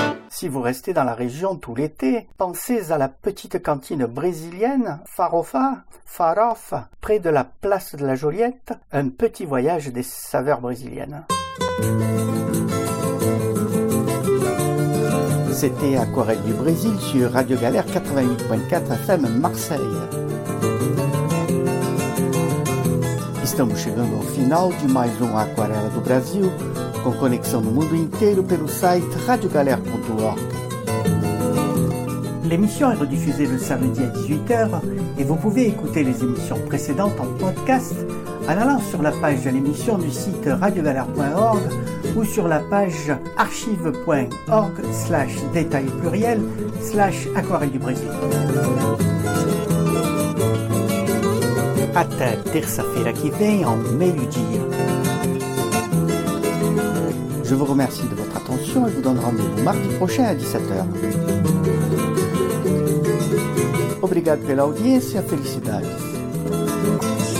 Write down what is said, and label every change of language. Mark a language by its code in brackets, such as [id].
[fr] si vous restez dans la région tout l'été, pensez à la petite cantine brésilienne Farofa, Farofa, près de la place de la Joliette, un petit voyage des saveurs brésiliennes. C'était Aquarelle du Brésil sur Radio Galère 88.4 FM Marseille. [pt] Estamos chegando ao final de mais um Aquarela do Brasil, com conexão no mundo inteiro pelo site radiogalera.org. [fr] L'émission est rediffusée le samedi à 18h et vous pouvez écouter les émissions précédentes en podcast en allant sur la page de l'émission du site radiogalère.org ou sur la page archive.org/détail/aquarelle du Brésil. [pt] Até terça-feira que vem, ao meio-dia. [fr] Je vous remercie de votre attention et vous donne rendez-vous mardi prochain à 17h. [pt] Obrigado pela audiência, felicidades.